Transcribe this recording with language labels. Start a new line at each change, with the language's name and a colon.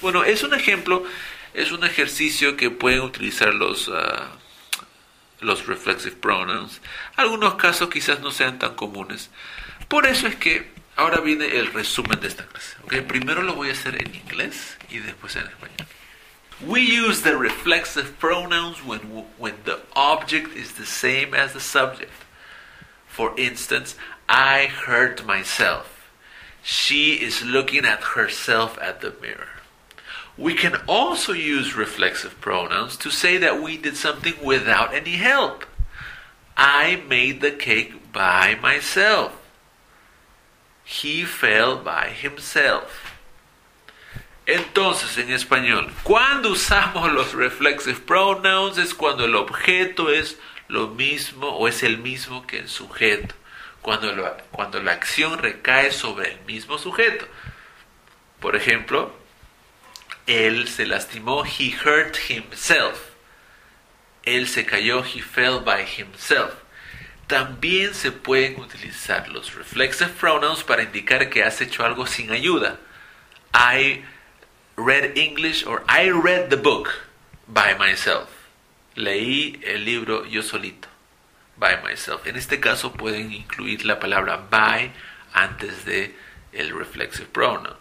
Spanish: Bueno, es un ejemplo, es un ejercicio que pueden utilizar los reflexive pronouns. Algunos casos quizás no sean tan comunes. Por eso es que ahora viene el resumen de esta clase. Okay, primero lo voy a hacer en inglés y después en español.
English: We use the reflexive pronouns when the object is the same as the subject. For instance, I hurt myself. She is looking at herself at the mirror. We can also use reflexive pronouns to say that we did something without any help. I made the cake by myself. He fell by himself.
Spanish: Entonces, en español, cuando usamos los reflexive pronouns es cuando el objeto es lo mismo o es el mismo que el sujeto. Cuando la acción recae sobre el mismo sujeto. Por ejemplo, él se lastimó,
English: he hurt himself.
Spanish: Él se cayó,
English: he fell by himself.
Spanish: También se pueden utilizar los reflexive pronouns para indicar que has hecho algo sin ayuda.
English: I read English or I read the book by myself.
Spanish: Leí el libro yo solito,
English: by myself.
Spanish: En este caso pueden incluir la palabra by antes de el reflexive pronoun.